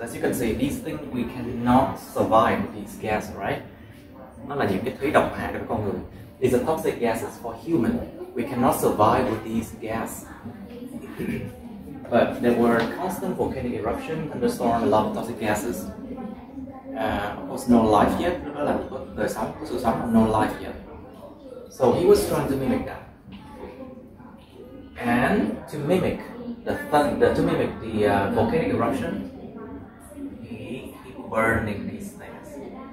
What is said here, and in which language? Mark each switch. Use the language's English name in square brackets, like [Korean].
[English] As you can see, these things, we cannot survive these gases, right? [Vietnamese] Nó là những cái thứ độc hại của con người. [English] These are toxic gases for human. We cannot survive with these gases. But there were constant volcanic eruption, thunderstorm, a lot of toxic gases. Of course, no life yet. [Vietnamese] Nó là đời sống, có sự sống, [English] no life yet. So he was trying to mimic that. And to mimic the volcanic eruption, he keep burning these things.